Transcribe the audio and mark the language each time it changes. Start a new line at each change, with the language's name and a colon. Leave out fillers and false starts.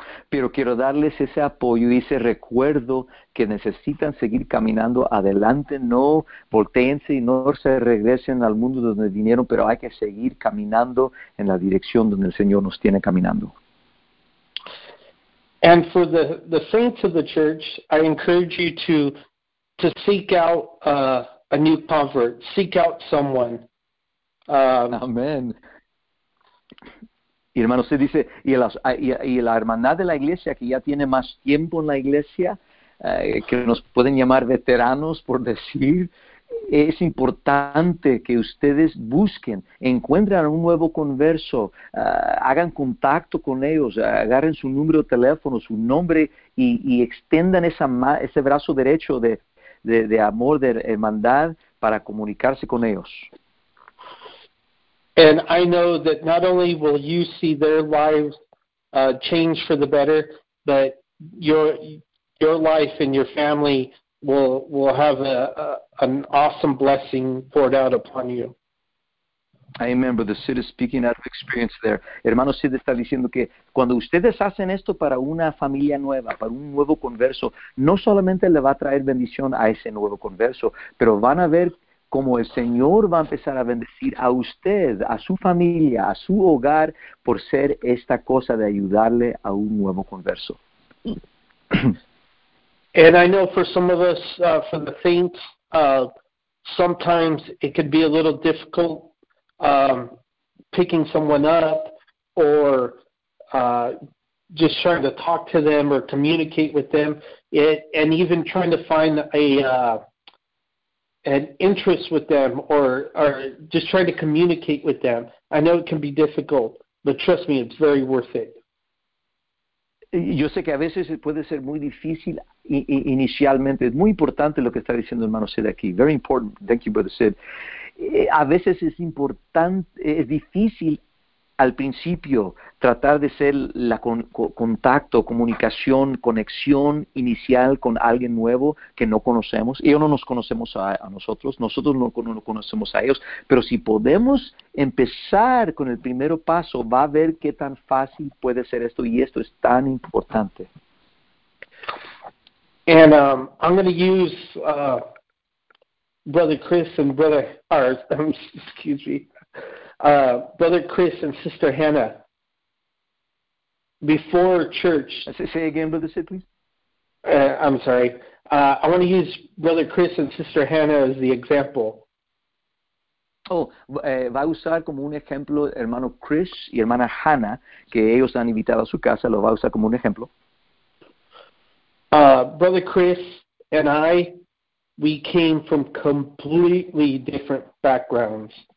Spanish: Pero quiero darles ese apoyo y ese recuerdo que necesitan seguir caminando adelante, no volteense y no se regresen al mundo donde vinieron, pero hay que seguir caminando en la dirección donde el Señor nos tiene caminando.
English: And for the saints of the church, I encourage you to seek out a new convert, seek out someone. Amen.
Spanish: Y hermano, usted dice, y la hermandad de la iglesia, que ya tiene más tiempo en la iglesia, que nos pueden llamar veteranos, por decir, es importante que ustedes busquen, encuentren a un nuevo converso, hagan contacto con ellos, agarren su número de teléfono, su nombre, y extendan ese brazo derecho de amor, de hermandad, para comunicarse con ellos.
English: And I know that not only will you see their lives change for the better, but your life and your family will have an awesome blessing poured out upon you. Amen, Brother Sid is speaking out of experience there.
Spanish: Hermano Sid está diciendo que cuando ustedes hacen esto para una familia nueva, para un nuevo converso, no solamente le va a traer bendición a ese nuevo converso, pero van a ver como el Señor va a empezar a bendecir a usted, a su familia, a su hogar, por ser esta cosa de ayudarle a un nuevo converso.
English: And I know for some of us, for the saints, sometimes it can be a little difficult picking someone up or just trying to talk to them or communicate with them, and even trying to find an interest with them or just trying to communicate with them. I know it can be difficult, but trust me, it's very worth it.
Spanish: Yo sé que a veces puede ser muy difícil inicialmente. Es muy importante lo que está diciendo hermano Sid aquí.
English: Very important. Thank you, Brother Sid.
Spanish: A veces es importante, es difícil al principio tratar de ser la contacto, comunicación, conexión inicial con alguien nuevo que no conocemos. Ellos no nos conocemos a nosotros, nosotros no conocemos a ellos, pero si podemos empezar con el primer paso, va a ver qué tan fácil puede ser esto, y esto es tan importante.
English: And I'm going to use Brother Chris and Brother Chris and Sister Hannah. Before church, say again, Brother Sid, please. I'm sorry. I want to use Brother Chris and Sister Hannah as the example.
Spanish: Oh, va a usar como un ejemplo hermano Chris y hermana Hannah, que ellos han invitado a su casa, lo va a usar como un ejemplo.
English: Brother Chris and I, we came from completely different backgrounds.